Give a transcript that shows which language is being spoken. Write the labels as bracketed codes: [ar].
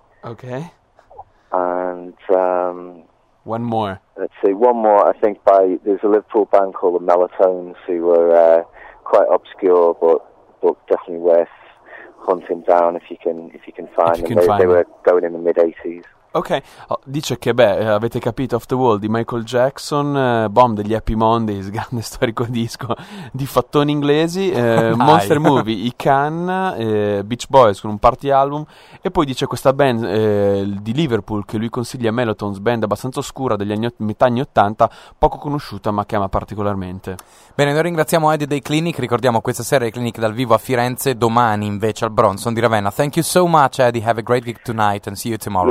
[en] Okay. And one more. Let's see, one more, I think, by, there's a Liverpool band called the Mellotones who were quite obscure but definitely worth hunting down if you can find if You can they, find they were going in the mid 80s. [it] Ok, dice che avete capito, Off the Wall di Michael Jackson, Bomb degli Happy Mondays, grande storico disco di fattoni inglesi, Monster Movie, i Can, Beach Boys con un party album, e poi dice questa band di Liverpool che lui consiglia, Mellotones, band abbastanza oscura degli anni metà anni 80, poco conosciuta ma che ama particolarmente. Bene, noi ringraziamo Eddie dei Clinic, ricordiamo questa sera i Clinic dal vivo a Firenze, domani invece al Bronson di Ravenna. [en] Thank you so much, Eddie, have a great gig tonight and see you tomorrow.